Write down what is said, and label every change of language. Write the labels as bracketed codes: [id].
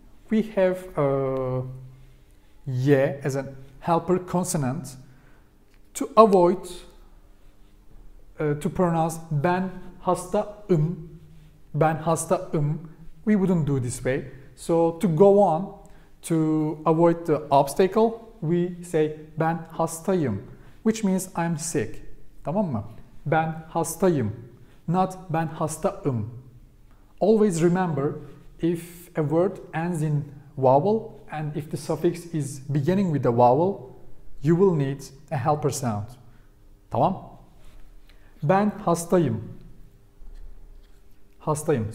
[en] We have ye as a helper consonant to avoid to pronounce [tr] ben hasta ım, ben hasta ım, [en] we wouldn't do this way. So to go on, to avoid the obstacle, we say [tr] ben hastayım, [en] which means I'm sick. [tr] Tamam mı? Ben hastayım, [en] not [tr] ben hasta ım. [en] Always remember, if a word ends in vowel and if the suffix is beginning with a vowel, you will need a helper sound. [tr] Tamam? Ben hastayım. Hastayım.